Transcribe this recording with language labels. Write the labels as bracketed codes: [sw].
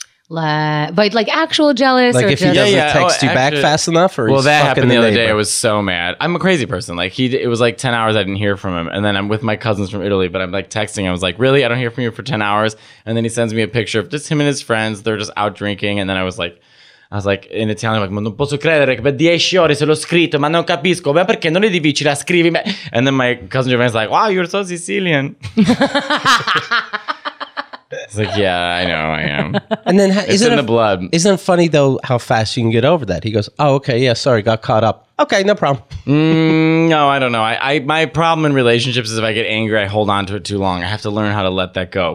[en] But like actual jealous? Like if he doesn't text you back fast enough? Well, that happened the other day. I was so mad. I'm a crazy person. Like it was like 10 hours I didn't hear from him. And then I'm with my cousins from Italy, but I'm like texting. I was like, really? I don't hear from you for 10 hours? And then he sends me a picture of just him and his friends. They're just out drinking. And then I was like in Italian, like, [it] ma non posso credere che per 10 ore se l'ho scritto, ma non capisco, ma perché non è difficile a scrivere me? [en] And then my cousin Giovanni's like, wow, you're so Sicilian. It's like, yeah, I know I am. And then it's in the blood. Isn't it funny, though, how fast you can get over that? He goes, oh, okay, yeah, sorry, got caught up. Okay, no problem. No, I don't know. My problem in relationships is if I get angry, I hold on to it too long. I have to learn how to let that go.